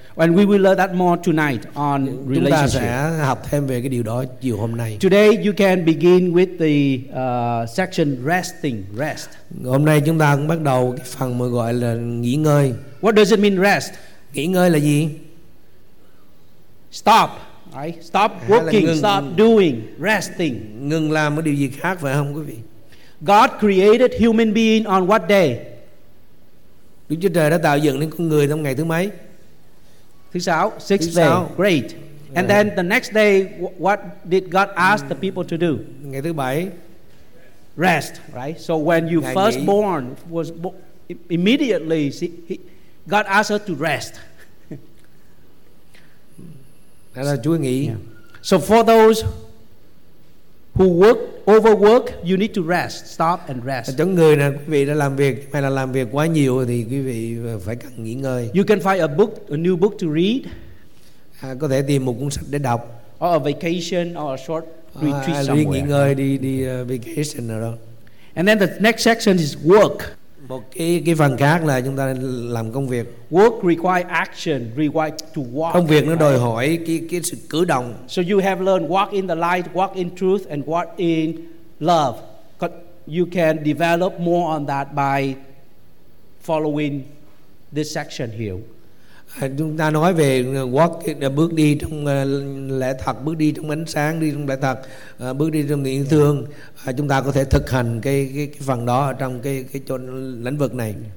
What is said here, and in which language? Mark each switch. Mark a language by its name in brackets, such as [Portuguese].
[English] And we will learn that more tonight on relationship. [Vietnamese] Chúng ta sẽ học thêm về cái điều đó chiều hôm nay. [English] Today you can begin with the section resting, rest. [Vietnamese] Hôm nay chúng ta cũng bắt đầu cái phần mà gọi là nghỉ ngơi. [English] What does it mean rest? [Vietnamese] Nghỉ ngơi là gì? [English] Stop, right? Stop working, ngừng, stop doing, resting. [Vietnamese] Ngừng làm một điều gì khác phải không quý vị? [English] God created human being on what day? [Vietnamese] Đức Chúa Trời đã tạo dựng nên con người trong ngày thứ mấy? Thứ sáu, [English] sixth day, great. And then the next day, what did God ask the people to do? [Vietnamese] Ngày thứ bảy, [English] rest, right? So when you first born was immediately, God asked her to rest. [Vietnamese] Đó là Chúa nghỉ. [English] So for those who work overwork, you need to rest, stop and rest. [Vietnamese] Những người nào quý vị đã làm việc hay là làm việc quá nhiều thì quý vị phải cần nghỉ ngơi. [English] You can find a book, a new book to read. [Vietnamese] Có thể tìm một cuốn sách để đọc. [English] Or a vacation or a short retreat somewhere. [Vietnamese] Đi nghỉ ngơi, đi vacation nào đó. [English] And then the next section is work. [Vietnamese] Một cái phần khác là chúng ta làm công việc. [English] Work require action, require to walk. [Vietnamese] Công việc nó đòi hỏi cái sự cử động. [English] So you have learned walk in the light, walk in truth and walk in love. You can develop more on that by following this section here. [Vietnamese] Chúng ta nói về walk, bước đi trong lẽ thật, bước đi trong ánh sáng, đi trong lẽ thật, bước đi trong yêu thương. Chúng ta có thể thực hành cái phần đó trong cái chỗ lĩnh vực này.